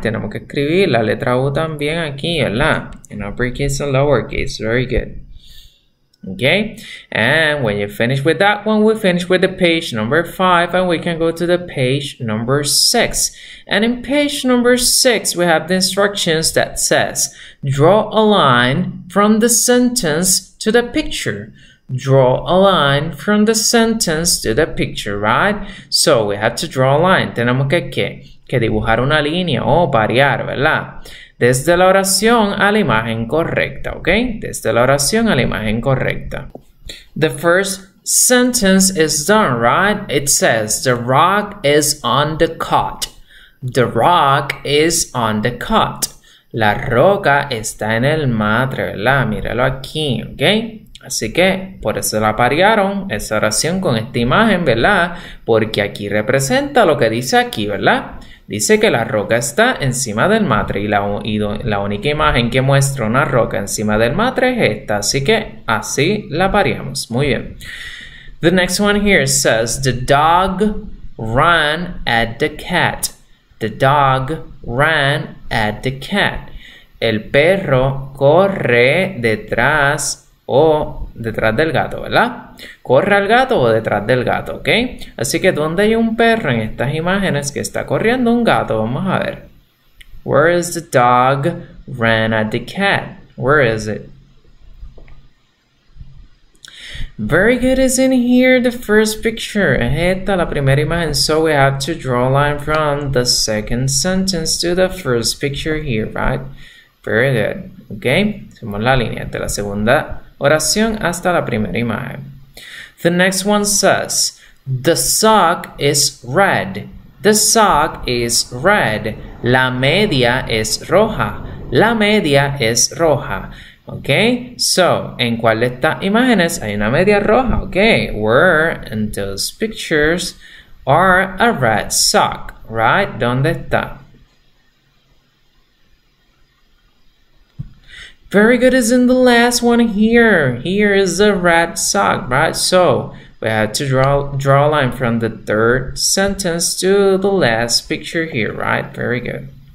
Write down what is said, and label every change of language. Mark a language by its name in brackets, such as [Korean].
[Spanish] Tenemos que escribir la letra U también aquí, ¿verdad? [English] In uppercase and lowercase, very good. Okay, and when you finish with that one, we finish with the page number 5, and we can go to the page number 6. And in page number 6, we have the instructions that says, draw a line from the sentence to the picture. Draw a line from the sentence to the picture, right? So we have to draw a line. [Spanish] Tenemos que dibujar una línea o variar, ¿verdad? Desde la oración a la imagen correcta, ¿ok? Desde la oración a la imagen correcta. [English] The first sentence is done, right? It says, the rock is on the cot. The rock is on the cot. [Spanish] La roca está en el madre, ¿verdad? Míralo aquí, ¿ok? Así que, por eso la parearon, esa oración con esta imagen, ¿verdad? Porque aquí representa lo que dice aquí, ¿verdad? Dice que la roca está encima del matre y la única imagen que muestra una roca encima del matre es esta. Así que así la pareamos. Muy bien. [English] The next one here says, the dog ran at the cat. The dog ran at the cat. [Spanish] El perro corre detrás o detrás del gato, ¿verdad? Corre al gato o detrás del gato, ¿ok? Así que, ¿dónde hay un perro en estas imágenes que está corriendo un gato? Vamos a ver. [English] Where is the dog ran at the cat? Where is it? Very good, is in here the first picture. [Spanish] Es esta la primera imagen. [English] So we have to draw a line from the second sentence to the first picture here, right? Very good, ¿ok? [Spanish] Somos la línea de la segunda oración hasta la primera imagen. [English] The next one says, the sock is red. The sock is red. [Spanish] La media es roja. La media es roja. Okay? So, ¿en cuál de estas imágenes hay una media roja? [English] Okay? Where in those pictures are a red sock? Right? [Spanish] ¿Dónde está? [English] Very good, is in the last one here. Here is a red sock, right? So, we have to draw a line from the third sentence to the last picture here, right? Very good.